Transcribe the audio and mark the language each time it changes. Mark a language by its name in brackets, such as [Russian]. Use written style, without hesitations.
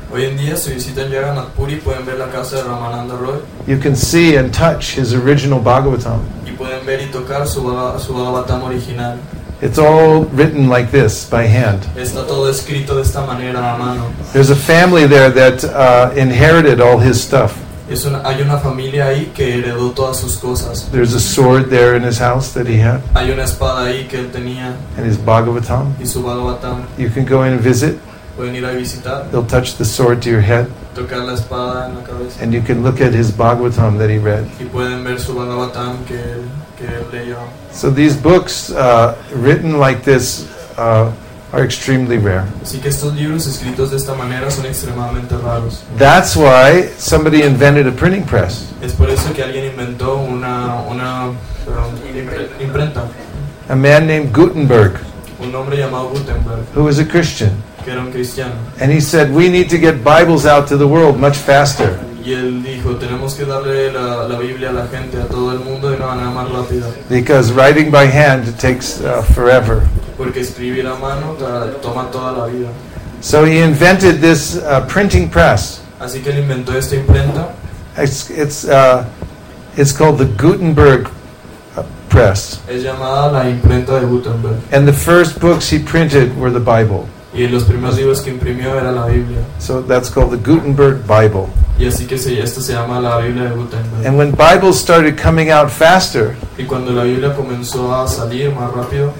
[Spanish] Hoy en día, si visitan Jagannath Puri, pueden ver la casa de Ramananda Roy. [English] You can see and touch his original Bhagavatam. [Spanish] Pueden ver y tocar su Bhagavatam original. [English] It's all written like this by hand. [Spanish] Está todo escrito de esta manera a mano. [English] There's a family there that inherited all his stuff. [Spanish] Hay una familia ahí que heredó todas sus cosas. [English] There's a sword there in his house that he had. [Spanish] Hay una espada ahí que él tenía. [English] And his Bhagavatam. [Spanish] Y su Bhagavatam. [English] You can go in and visit. [Spanish] Pueden ir a visitar. [English] They'll touch the sword to your head. [Spanish] Tocar la espada en la cabeza. [English] And you can look at his Bhagavatam that he read. [Spanish] Y pueden ver su Bhagavatam que él leyó. [English] So these books written like this are extremely rare. [Spanish] Así que estos libros escritos de esta manera son extremadamente raros. [English] That's why somebody invented a printing press. [Spanish] Es por eso que alguien inventó una imprenta. [English] A man named Gutenberg. [Spanish] Un hombre llamado Gutenberg. [English] Who was a Christian. [Spanish] Que era un cristiano. [English] And he said, we need to get Bibles out to the world much faster. [Spanish] Y él dijo, tenemos que darle la Biblia a la gente, a todo el mundo, de una manera más rápida. [English] Because writing by hand takes forever. [Spanish] Porque escribir a mano toma toda la vida. [English] So he invented this printing press. [Spanish] Así que él inventó esta imprenta. [English] It's called the Gutenberg Press. [Spanish] Es llamada la imprenta de Gutenberg. [English] And the first books he printed were the Bible. [Spanish] Y los primeros libros que imprimió era la Biblia. [English] So that's called the Gutenberg Bible. [Spanish] Y así que esto se llama la Biblia de Gutenberg. [English] And when Bibles started coming out faster, [Spanish] y cuando la Biblia comenzó a salir más rápido,